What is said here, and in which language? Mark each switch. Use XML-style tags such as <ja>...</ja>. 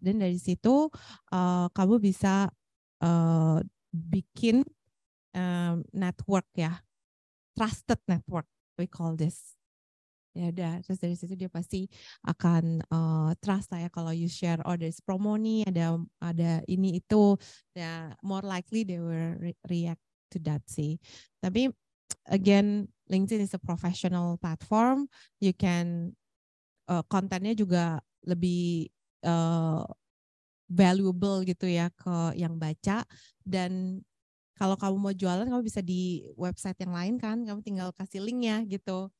<id>Dan dari situ kamu bisa bikin network ya.</id> <en>Trusted network. We call this.</en> <id>Ya udah. Terus dari situ dia pasti akan trust lah ya. Kalau</id> <en>you share, oh there's promo</en> <id>nih. Ada ini itu.</id> <en>Ya, more likely they will react to that sih. Tapi again, LinkedIn is a professional platform. You can</en> <id>kontennya juga lebih valuable gitu ya ke yang baca. Dan kalau kamu mau jualan, kamu bisa di website yang lain kan, kamu tinggal kasih linknya gitu.</id>